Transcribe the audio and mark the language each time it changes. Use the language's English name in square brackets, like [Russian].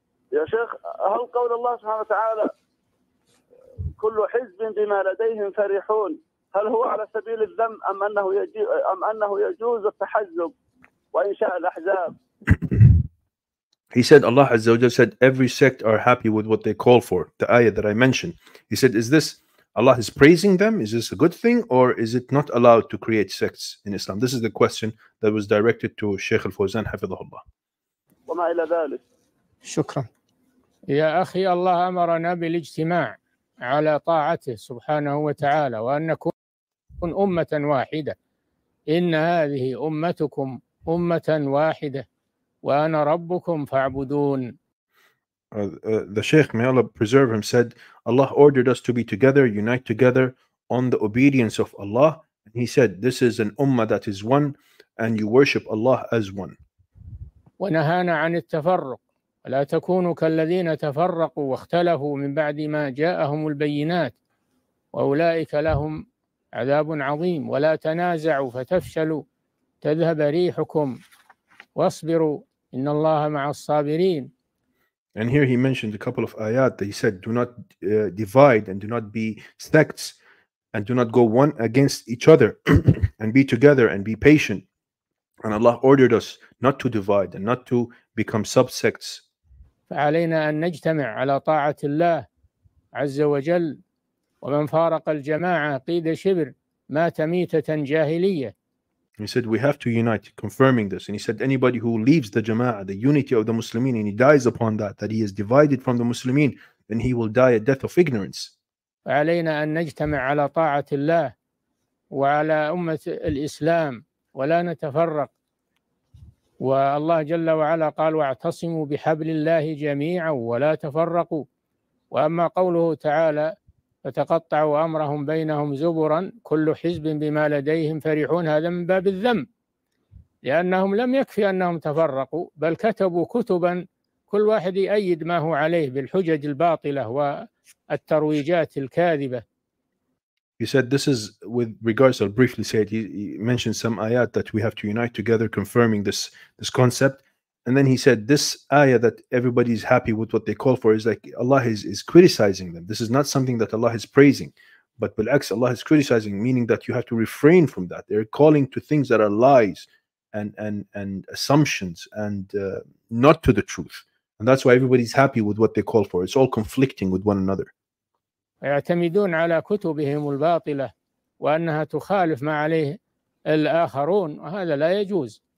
[Arabic] Ya Sheikh, [English] how [Arabic] قول الله سبحانه وتعالى كل حزب بما لديهم فرحون, هل هو على سبيل الذم أم أنه يجوز التحزب وإنشاء الأحزاب؟ [English] He said, Allah Azza wa Jal said, every sect are happy with what they call for. The ayah that I mentioned. He said, is this, Allah is praising them? Is this a good thing? Or is it not allowed to create sects in Islam? This is the question that was directed to Sheikh Al-Fawzan, hafidhahullah. [Arabic] وما إلى ذلك. شكرا. يا أخي, الله أمرنا بالاجتماع على طاعته سبحانه وتعالى وأن نكون أمة واحدة. إن هذه أمتكم أمة واحدة وأنا ربكم فاعبدون. [English] The Sheikh, may Allah preserve him, said, Allah ordered us to be together, unite together on the obedience of Allah. And he said, this is an ummah that is one, and you worship Allah as one. [Arabic] ونهانا عن التفرق ولا تكونوا كالذين تفرقوا واختلفوا من بعد ما جاءهم البينات وأولئك لهم عذاب عظيم ولا تنازعوا فتفشلوا تذهب ريحكم واصبروا إن الله مع الصابرين. [English] And here he mentioned a couple of ayat that he said, do not divide and do not be sects and do not go one against each other and be together and be patient. And Allah ordered us not to divide and not to become subsects. [Arabic] فعلينا أن نجتمع على طاعة الله عز وجل ومن فارق الجماعة قيد شبر مات ميتة جاهلية. [English] He said, we have to unite, confirming this. And he said, anybody who leaves the jama'ah, the unity of the Muslimin, and he dies upon that, that he is divided from the Muslimin, then he will die a death of ignorance. [Arabic] فعلينا أن نجتمع على طاعة الله وعلى أمة الإسلام ولا نتفرق. والله جل وعلا قال واعتصموا بحبل الله جميعا ولا تفرقوا. وأما قوله تعالى فتقطعوا أمرهم بينهم زبرا كل حزب بما لديهم فرحون هذا من باب الذم لأنهم لم يكفي أنهم تفرقوا بل كتبوا كتبا كل واحد يؤيد ما هو عليه بالحجج الباطلة والترويجات الكاذبة. [English] He said this is with regards, I'll briefly say it. He mentioned some ayat that we have to unite together confirming this concept. And then he said, this ayah that everybody is happy with what they call for is like Allah is criticizing them. This is not something that Allah is praising. But [Arabic] بالعكس, [English] Allah is criticizing, meaning that you have to refrain from that. They're calling to things that are lies and assumptions and not to the truth. And that's why everybody's happy with what they call for. It's all conflicting with one another. [Arabic] ويعتمدون على كتبهم الباطلة وأنها تخالف ما عليه الآخرون وهذا لا يجوز.